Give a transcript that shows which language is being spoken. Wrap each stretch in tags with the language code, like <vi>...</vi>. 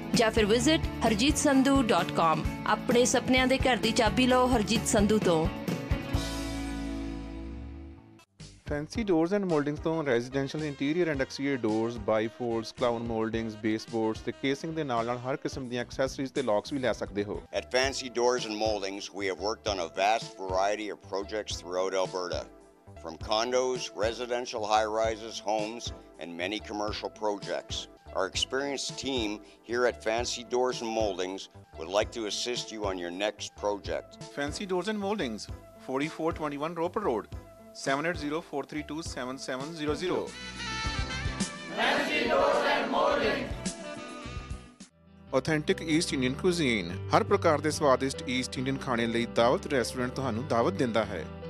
<pa>ਜਾਂ ਫਿਰ visit harjeetsandhu.com। ਆਪਣੇ ਸੁਪਨਿਆਂ ਦੇ ਘਰ ਦੀ ਚਾਬੀ ਲਓ ਹਰਜੀਤ ਸੰਧੂ ਤੋਂ। ਫੈਂਸੀ ਡੋਰਸ ਐਂਡ ਮੋਲਡਿੰਗਸ ਤੋਂ residential interior and exterior doors, ਬਾਈਫੋਲਡਸ, clown ਮੋਲਡਿੰਗਸ, ਬੇਸਬੋਰਡਸ ਤੇ ਕੇਸਿੰਗ ਦੇ ਨਾਲ ਨਾਲ ਹਰ ਕਿਸਮ ਦੀਆਂ ਐਕਸੈਸਰੀਜ਼ ਤੇ ਲੌਕਸ ਵੀ ਲੈ ਸਕਦੇ ਹੋ।</pa> <en>At Fancy Doors and Moldings, we have worked on a vast variety of projects throughout Alberta, from condos, residential high-rises, homes, and many commercial projects. Our experienced team here at Fancy Doors and Moldings would like to assist you on your next project. Fancy Doors and Moldings, 4421 Roper Road, 780-432-7700. Fancy Doors and Moldings.</en> <pa>Authentic East Indian cuisine, ਹਰ ਪ੍ਰਕਾਰ ਦੇ ਸਵਾਦਿਸ਼ਟ East Indian ਖਾਣੇ ਲਈ ਦਾਵਤ restaurant ਤੁਹਾਨੂੰ ਦਾਵਤ ਦਿੰਦਾ ਹੈ।</pa>